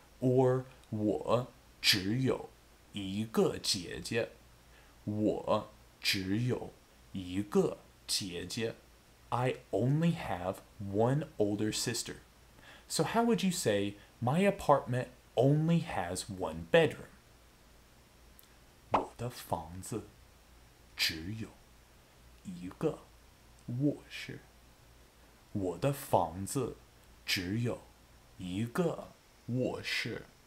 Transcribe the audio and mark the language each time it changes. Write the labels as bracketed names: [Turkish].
[Chinese] Or 我只有一个姐姐，我只有一个姐姐。 [English] I only have one older sister. So how would you say, my apartment only has one bedroom? [Chinese] 我的房子只有一个卧室。我的房子只有一个卧室。